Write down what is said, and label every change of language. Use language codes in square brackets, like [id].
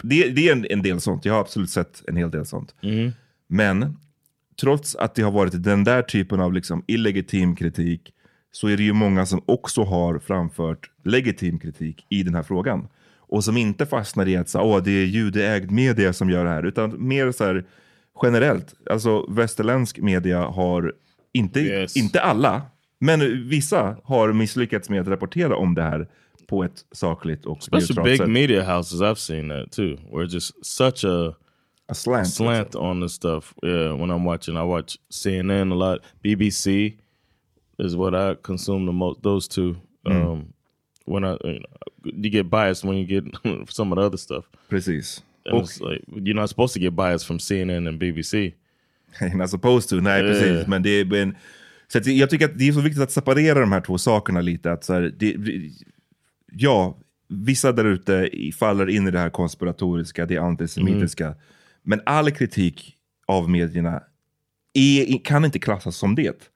[sv] Det är en del sånt. Jag har absolut sett en hel del sånt. Men trots att det har varit den där typen av liksom illegitim kritik, så är det ju många som också har framfört legitim kritik i den här frågan, och som inte fastnar i att säga, åh, det är judeägd media som gör det här, utan mer så här generellt, alltså västerländsk media har inte, inte alla, men vissa har misslyckats med att rapportera om det här på ett sakligt och neutralt sätt. [en] Especially big media houses, I've seen that too, where it's just such a slant, on the stuff. Yeah, when I'm watching, I watch CNN a lot. BBC is what I consume the most, those two. When I, you get biased when you get some of the other stuff. [sv] Precis. [en] And it's like, you're not supposed to get bias from CNN and BBC. You're not supposed to, [sv] nej, precis. Men det är, men, så att, jag tycker att det är så viktigt att separera de här två sakerna lite. Att så här, det, ja, vissa där ute faller in i det här konspiratoriska, det antisemitiska. Men all kritik av medierna kan inte klassas som det.